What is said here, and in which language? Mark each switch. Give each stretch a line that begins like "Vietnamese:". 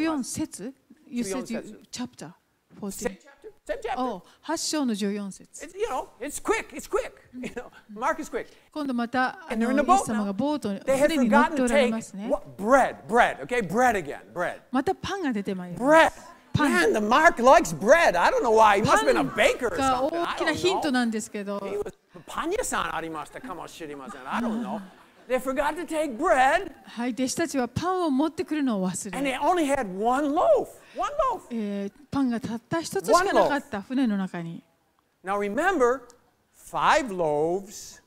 Japanese: 14節
English: You said chapter 14. Same chapter.
Japanese: 8章の14節
English: it's quick. Mark is quick.
Japanese: 今度またあのイエス様がボートに船に乗っておられますね。
English: Bread again.
Japanese: またパンが出てまいります。
English: Bread. Man, the Mark likes bread. I don't know why. He must have been a baker or something.
Japanese: 大きなヒントなんですけど。
English: He was
Japanese: パン屋さんありましたかもしれません。
English: I don't know. They forgot to take bread.
Japanese: はい、弟子たちはパンを持ってくるのを忘れ。
English: And they only had one loaf. One loaf.
Japanese: パンがたった一つしかなかった船の中に。
English: Now remember,Five loaves,